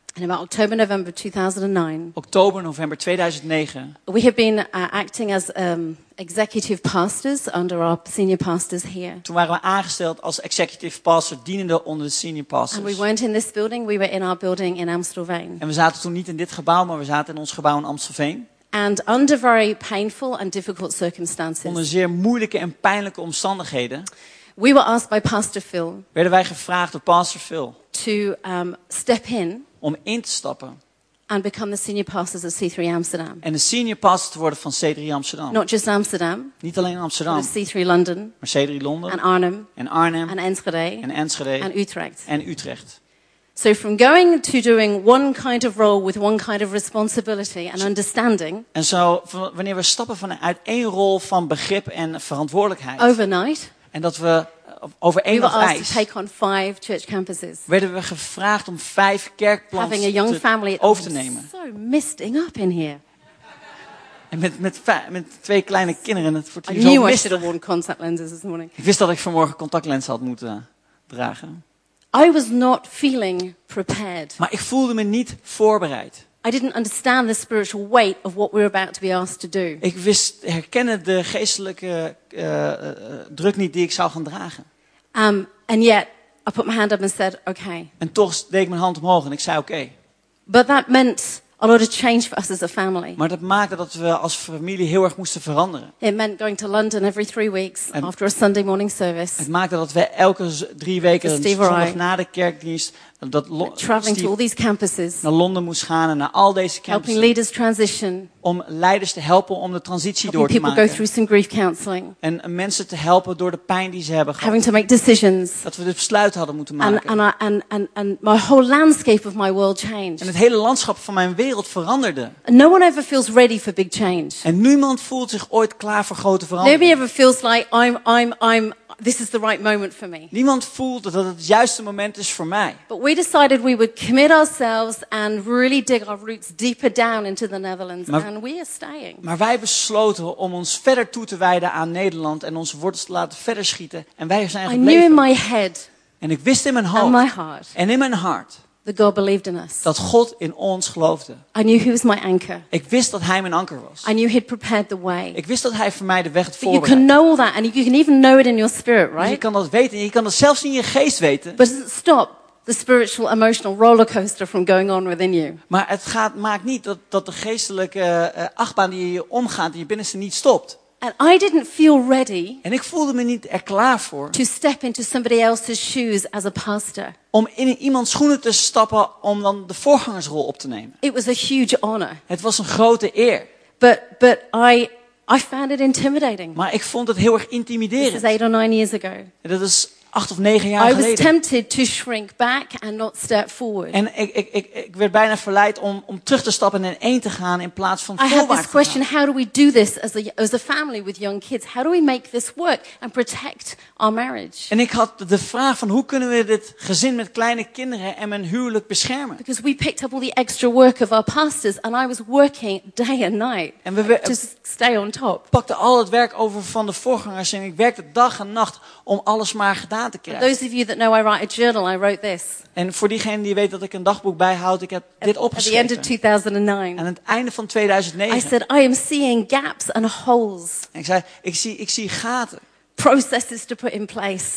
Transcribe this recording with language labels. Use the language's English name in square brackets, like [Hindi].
[English] In about October, November 2009. [Dutch] Oktober, november 2009. [English] We have been acting as executive pastors under our senior pastors here. [Dutch] Toen waren we aangesteld als executive pastor, dienende onder de senior pastors. [English] And we weren't in this building, we were in our building in Amstelveen. [Dutch] En we zaten toen niet in dit gebouw, maar we zaten in ons gebouw in Amstelveen. [English] And under very painful and difficult circumstances. [Dutch] Onder zeer moeilijke en pijnlijke omstandigheden. [English] We were asked by Pastor Phil. [Dutch] Werden wij gevraagd door Pastor Phil. [English] To step in. [Dutch] Om in te stappen. [English] And become the senior pastors of C3 Amsterdam. [Dutch] En de senior pastor te worden van C3 Amsterdam. [English] Not just Amsterdam. [Dutch] Niet alleen Amsterdam. [English] C3 London. [Dutch] Maar C3 Londen. [English] And Arnhem. [Dutch] En Arnhem. [English] And Enschede. [Dutch] En Enschede. [English] And Utrecht. [Dutch] En Utrecht. [English] So from going to doing one kind of role with one kind of responsibility and understanding. [Dutch] En zo wanneer we stappen vanuit één rol van begrip en verantwoordelijkheid. [English] Overnight. [Dutch] En dat we over één dag ijs, [English] to take on 5 church campuses. [Dutch] Werden we gevraagd om 5 kerkplanten over te nemen. [English] So misting up in here. [Dutch] En met 2 kleine kinderen. Het wordt hier [English] I [Dutch] zo [English] knew I should have worn contact lenses this morning. [Dutch] Ik wist dat ik vanmorgen contactlenzen had moeten dragen. [English] I was not feeling prepared. [Dutch] Maar ik voelde me niet voorbereid. [English] I didn't understand the spiritual weight of what we were about to be asked to do. [Dutch] Ik wist herkennen de geestelijke druk niet die ik zou gaan dragen. [English] And yet I put my hand up and said, okay. [Dutch] En toch deed ik mijn hand omhoog en ik zei oké. [English] But that meant a lot of change for us as a family. [Dutch] Maar dat maakte dat we als familie heel erg moesten veranderen. [English] It meant going to London every 3 weeks after a Sunday morning service. [Dutch] Het maakte dat we elke 3 weken een zondag na de kerkdienst dat [English] traveling to all these campuses, [Dutch] naar Londen moest gaan en naar al deze campuses. [English] Helping leaders transition. [Dutch] Om leiders te helpen om de transitie door te maken. [English] Helping people go through some grief counseling. [Dutch] En mensen te helpen door de pijn die ze hebben gehad. [English] Having to make decisions. [Dutch] Dat we de besluiten hadden moeten maken. [English] And my whole landscape of my world changed. [Dutch] En het hele landschap van mijn wereld veranderde. [English] And no one ever feels ready for big change. [Dutch] En niemand voelt zich ooit klaar voor grote veranderingen. [English] Nobody ever feels like I'm this is the right moment for me. [Dutch] Niemand voelt dat het het juiste moment is voor mij. [English] But we decided we would commit ourselves and really dig our roots deeper down into the Netherlands. And we are staying. [Dutch] Maar wij besloten om ons verder toe te wijden aan Nederland en onze wortels te laten verder schieten. En wij zijn gebleven. [English] I knew in my head. [Dutch] En ik wist in mijn hoofd. [English] And my heart. [Dutch] En in mijn hart. [English] That God believed in us. [Dutch] Dat God in ons geloofde. [English] I knew he was my anchor. [Dutch] Ik wist dat hij mijn anker was. [English] I knew he'd prepared the way. [Dutch] Ik wist dat hij voor mij de weg had voorbereid. [English] But you can know all that and you can even know it in your spirit, right? [Dutch] Dus je kan dat weten. Je kan dat zelfs in je geest weten. [English] But stop the spiritual emotional rollercoaster from going on within you. [Dutch] Maar het gaat maakt niet dat de geestelijke achtbaan die je omgaat in je binnenste niet stopt. [English] And I didn't feel ready. [Dutch] En ik voelde me niet er klaar voor. [English] To step into somebody else's shoes as a pastor. [Dutch] Om in iemands schoenen te stappen om dan de voorgangersrol op te nemen. [English] It was a huge honor. [Dutch] Het was een grote eer. [English] But I found it intimidating. [Dutch] Maar ik vond het heel erg intimiderend. [English] This is 8 or 9 years ago. [Dutch] Dat is 8 of 9 jaar geleden. [English] I was tempted to shrink back and not step forward. [Dutch] En ik werd bijna verleid om terug te stappen en één te gaan in plaats van voorwaarts. [English] I had this question: how do we do this as a family with young kids? How do we make this work and protect our marriage? [Dutch] En ik had de vraag van hoe kunnen we dit gezin met kleine kinderen en mijn huwelijk beschermen? [English] Because we picked up all the extra work of our pastors and I was working day and night to stay on top. [Dutch] Pakte al het werk over van de voorgangers en ik werkte dag en nacht om alles maar gedaan te krijgen. [English] Those of you that know I write a journal, I wrote this. [Dutch] En voor diegenen die weten dat ik een dagboek bijhoud, ik heb dit opgeschreven. [English] At the end of 2009. [Dutch] En aan het einde van 2009. [English] I said I am seeing gaps and holes. [Dutch] En ik zei ik zie gaten. [English] Processes to put in place.